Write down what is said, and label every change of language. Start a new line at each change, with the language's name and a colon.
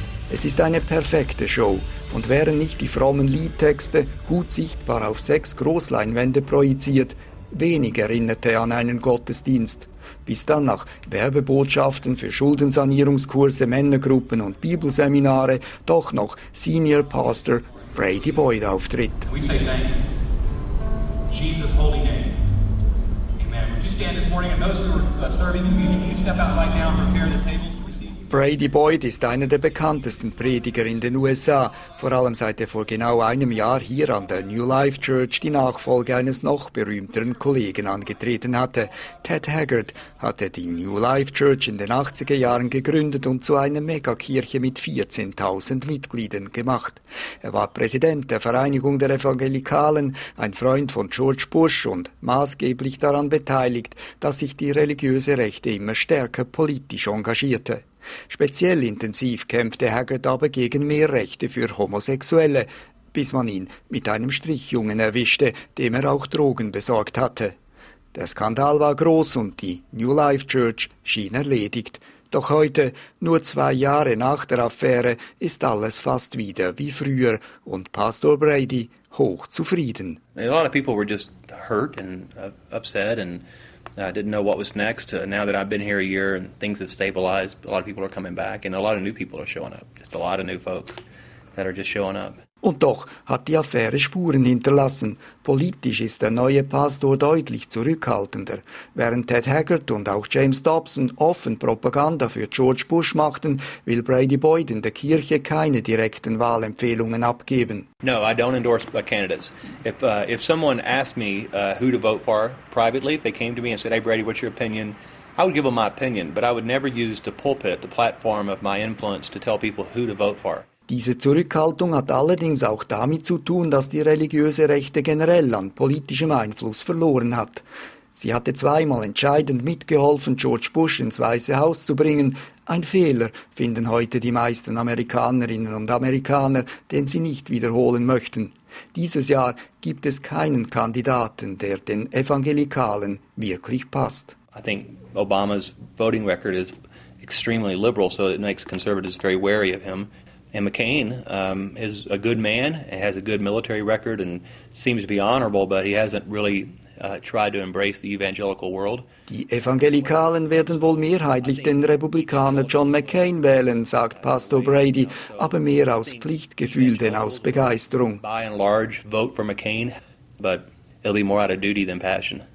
German: Es ist eine perfekte Show. Und wären nicht die frommen Liedtexte gut sichtbar auf 6 Großleinwände projiziert, wenig erinnerte an einen Gottesdienst. Bis dann nach Werbebotschaften für Schuldensanierungskurse, Männergruppen und Bibelseminare doch noch Senior Pastor Brady Boyd auftritt.
English: We say thanks. Jesus' holy name. Amen. Would you stand this morning and those who are serving the music, you step out right now and prepare the tables.
German: Brady Boyd ist einer der bekanntesten Prediger in den USA, vor allem seit er vor genau einem Jahr hier an der New Life Church die Nachfolge eines noch berühmteren Kollegen angetreten hatte. Ted Haggard hatte die New Life Church in den 80er Jahren gegründet und zu einer Megakirche mit 14.000 Mitgliedern gemacht. Er war Präsident der Vereinigung der Evangelikalen, ein Freund von George Bush und maßgeblich daran beteiligt, dass sich die religiöse Rechte immer stärker politisch engagierte. Speziell intensiv kämpfte Haggard aber gegen mehr Rechte für Homosexuelle, bis man ihn mit einem Strichjungen erwischte, dem er auch Drogen besorgt hatte. Der Skandal war groß und die New Life Church schien erledigt. Doch heute, nur 2 Jahre nach der Affäre, ist alles fast wieder wie früher und Pastor Brady hoch zufrieden.
English: A lot of people were just hurt and upset and I didn't know what was next. Now that I've been here a year and things have stabilized, a lot of people are coming back and a lot of new people are showing up. Just a lot of new folks that are just showing up.
German: Und doch hat die Affäre Spuren hinterlassen. Politisch ist der neue Pastor deutlich zurückhaltender. Während Ted Haggard und auch James Dobson offen Propaganda für George Bush machten, will Brady Boyd in der Kirche keine direkten Wahlempfehlungen abgeben.
English: No, I don't endorse candidates. If someone asked me who to vote for privately, if they came to me and said, "Hey Brady, what's your opinion?" I would give them my opinion, but I would never use the pulpit, the platform of my influence to tell people who to vote for.
German: Diese Zurückhaltung hat allerdings auch damit zu tun, dass die religiöse Rechte generell an politischem Einfluss verloren hat. Sie hatte zweimal entscheidend mitgeholfen, George Bush ins Weiße Haus zu bringen. Ein Fehler, finden heute die meisten Amerikanerinnen und Amerikaner, den sie nicht wiederholen möchten. Dieses Jahr gibt es keinen Kandidaten, der den Evangelikalen wirklich passt.
English: I think Obama's voting record is extremely liberal, so it makes conservatives very wary of him. And McCain is a good man, has a good military record and seems to be honorable, but he hasn't really tried to embrace the evangelical world.
German: Die Evangelikalen werden wohl mehrheitlich den Republikaner John McCain wählen, sagt Pastor Brady, aber mehr aus Pflichtgefühl denn aus Begeisterung.
English: By and large, vote for McCain, but it'll be more out of duty than passion.